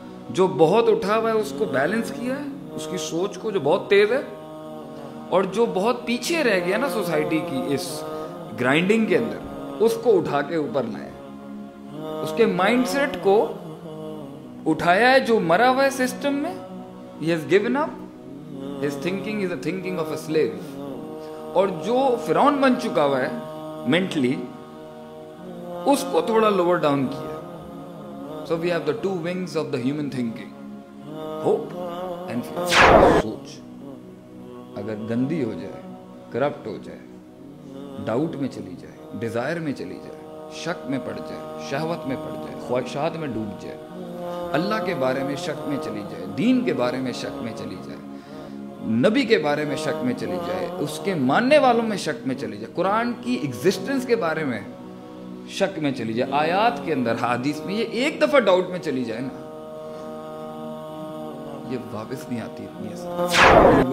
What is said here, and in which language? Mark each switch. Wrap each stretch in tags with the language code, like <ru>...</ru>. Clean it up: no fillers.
<ur>جو بہت اٹھا ہوا ہے اس کو بیلنس کیا ہے, اس کی سوچ کو جو بہت تیز ہے, اور جو بہت پیچھے رہ گیا نا سوسائٹی کی اس گرائنڈنگ کے اندر, اس کو اٹھا کے اوپر لائے, اس کے مائنڈ سیٹ کو اٹھایا ہے جو مرا ہوا ہے سسٹم میں.</ur> <en>He has given up, his thinking is a thinking of a slave.</en> <ur>اور جو فرعون بن چکا ہوا ہے مینٹلی, اس کو تھوڑا لوور ڈاؤن کیا.</ur> <en>So we have the two wings of the human thinking, hope and سوچ.</en> <ur>اگر گندی ہو جائے, کرپٹ ہو جائے, ڈاؤٹ میں چلی جائے, ڈیزائر میں چلی جائے, شک میں پڑ جائے, شہوت میں پڑ جائے, خواہشات میں ڈوب جائے, اللہ کے بارے میں شک میں چلی جائے, دین کے بارے میں شک میں چلی جائے, نبی کے بارے میں شک میں چلی جائے, اس کے ماننے والوں میں شک میں چلی جائے, قرآن کی ایگزسٹنس کے بارے میں شک میں چلی جائے, آیات کے اندر, حدیث میں, یہ ایک دفعہ ڈاؤٹ میں چلی جائے نا, یہ واپس نہیں آتی اتنی آسانی.</ur>